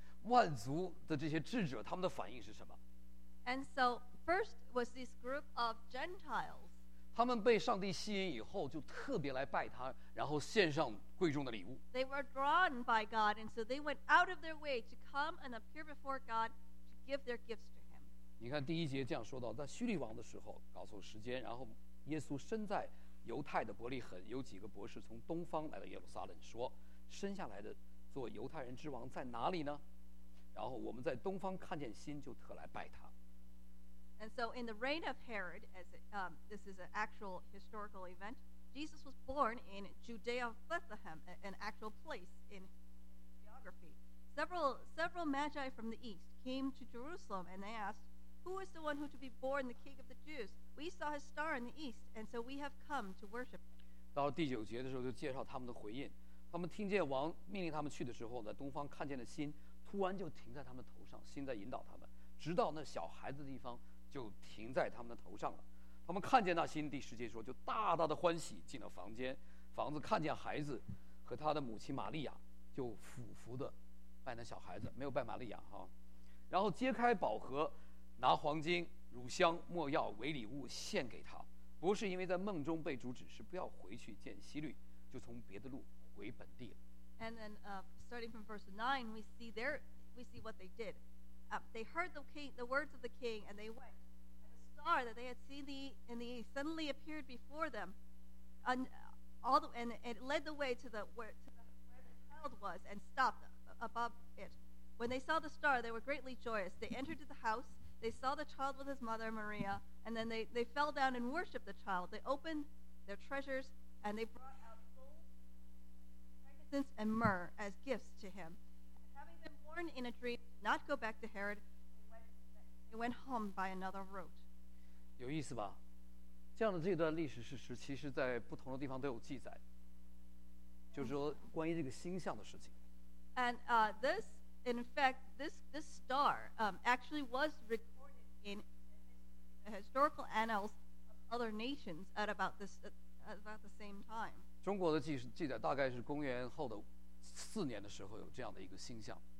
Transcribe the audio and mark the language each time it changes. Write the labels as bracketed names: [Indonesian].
[Chinese] 万族的这些智者，他们的反应是什么？ [English] And so first was this group of Gentiles. [Chinese] 他们被上帝吸引以后，就特别来拜他，然后献上贵重的礼物。 [English] They were drawn by God, and so they went out of their way to come and appear before God to give their gifts to Him. [Chinese] 你看第一节这样说到，在叙利王的时候，告诉时间，然后耶稣生在犹太的伯利恒，有几个博士从东方来到耶路撒冷，说生下来的做犹太人之王在哪里呢？然后我们在东方看见星，就特来拜他。 [English] And so in the reign of Herod, as it, this is an actual historical event, Jesus was born in Judea of Bethlehem, an actual place in geography. Several magi from the east came to Jerusalem and they asked, who is the one who to be born the king of the Jews? We saw his star in the east, and so we have come to worship him. [Chinese] 到第九节的时候就介绍他们的回应。他们听见王命令他们去的时候，在东方看见的星突然就停在他们头上，星在引导他们，直到那小孩子的地方就停在他们的头上了。他们看见那星，第十节说，就大大的欢喜，进了房间。房子看见孩子和他的母亲玛利亚，就俯伏的拜那小孩子，没有拜玛利亚哈。然后揭开宝盒，拿黄金、乳香、末药为礼物献给他。不是因为在梦中被主指示不要回去见希律，就从别的路回本地了。 [English] And then, starting from verse 9, we see what they did. They heard the words of the king, and they went. And the star that they had seen in the east suddenly appeared before them, and it led the way to where the child was, and stopped above it. When they saw the star, they were greatly joyous. They entered the house. They saw the child with his mother Maria, and then they fell down and worshipped the child. They opened their treasures, and they brought out gold, frankincense, and myrrh as gifts to him. Born in a dream, not go back to Herod. He went home by another route. [Chinese] 有意思吧？这样的这段历史事实，其实在不同的地方都有记载。就是说，关于这个星象的事情。 [English] And this, in fact, this star, actually was recorded in historical annals of other nations at about this about the same time. [Chinese] 中国的记载大概是公元后的四年的时候有这样的一个星象。